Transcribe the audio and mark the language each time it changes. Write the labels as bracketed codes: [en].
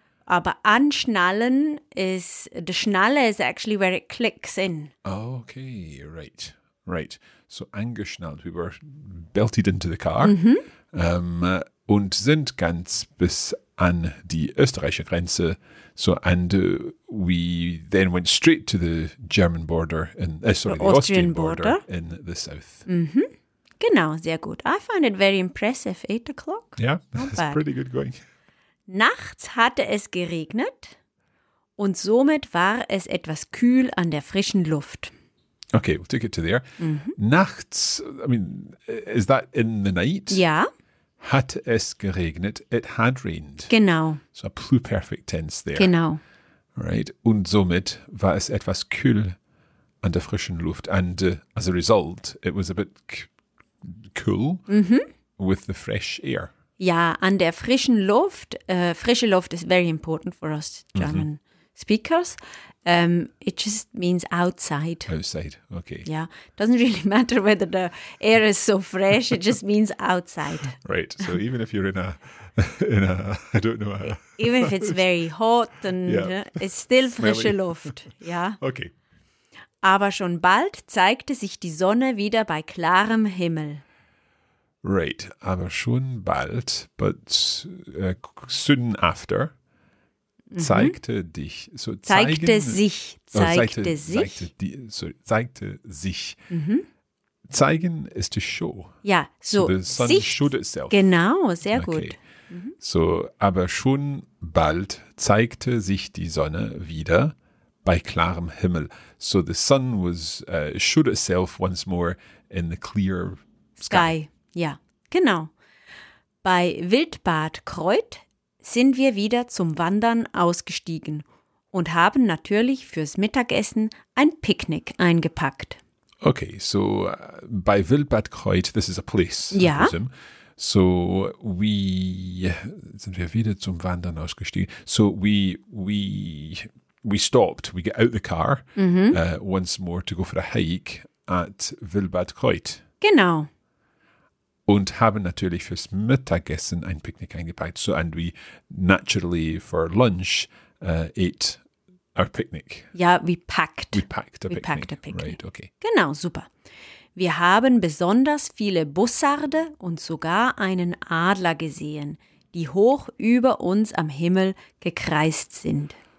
[en] Aber anschnallen is, the Schnalle is actually where it clicks in. Okay, right. Right. So angeschnallt, we were belted into the car. Mm-hmm. [de] Und sind ganz bis an die österreichische Grenze. [en] So, and we then went straight to the German border, the Austrian border in the south. Mm-hmm. [de] Genau, sehr gut. [en] I found it very impressive, 8 o'clock. Yeah, that's pretty good going. [de] Nachts hatte es geregnet und somit war es etwas kühl an der frischen Luft. [en] Okay, we'll take it to there. Mm-hmm. Nachts, I mean, is that in the night? Yeah. [de] Hat es geregnet? [en] It had rained. [de] Genau. [en] So a pluperfect tense there. [de] Genau. [en] Right. [de] Und somit war es etwas kühl an der frischen Luft. [en] And as a result, it was a bit cool mm-hmm. with the fresh air. [de] Ja, an der frischen Luft. [en] Frische Luft is very important for us German mm-hmm. speakers. It just means outside. Outside, okay. Yeah, doesn't really matter whether the air is so fresh, it just means outside. Right, so even if you're in a, I don't know. Even if it's very hot, and yeah, it's still frische smelly Luft, yeah. Okay. [de] Aber schon bald zeigte sich die Sonne wieder bei klarem Himmel. [en] Right, [de] aber schon bald, [en] but soon after. Zeigte mhm. dich. So [de] zeigte sich. Zeigte, oh, zeigte sich. Zeigte, die, so, zeigte sich. Mhm. [en] Zeigen is to show. [de] Ja, so. [en] So the sun [de] sich, [en] showed itself. [de] Genau, sehr okay. gut. Mhm. So, aber schon bald zeigte sich die Sonne wieder bei klarem Himmel. [en] So the sun was showed itself once more in the clear sky. [de] Sky, ja, genau. Bei Wildbad Kreuth sind wir wieder zum Wandern ausgestiegen und haben natürlich fürs Mittagessen ein Picknick eingepackt. [en] Okay, so bei Wildbad Kreuth, this is a place. [de] Ja. [en] So we [de] sind wir wieder zum Wandern ausgestiegen. [en] So we stopped, we get out the car mm-hmm. Once more to go for a hike at Wildbad Kreuth. [de] Genau. Und haben natürlich fürs Mittagessen ein Picknick eingepackt. [en] So, and we naturally for lunch ate our picnic. Ja, we packed. We packed a picnic. We packed a picnic. Right, okay. [de] Genau, super. Wir haben besonders viele Bussarde und sogar einen Adler gesehen, die hoch über uns am Himmel gekreist sind.